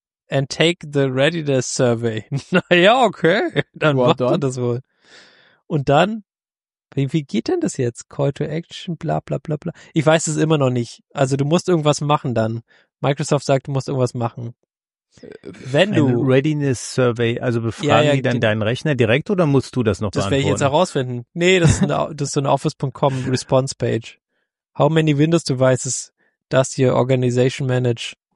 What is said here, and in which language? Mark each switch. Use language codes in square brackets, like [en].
[en] And take the readiness survey. [de] Naja, okay. Dann macht er das wohl. Und dann, wie geht denn das jetzt? Call to action, bla bla bla bla. Ich weiß es immer noch nicht. Also du musst irgendwas machen dann. Microsoft sagt, du musst irgendwas machen. Wenn du... Eine readiness survey, also befragen die dann deinen Rechner direkt oder musst du das noch beantworten? Das werde ich jetzt herausfinden. Nee, das ist so eine office.com response page. [en] How many Windows devices does your organization manage?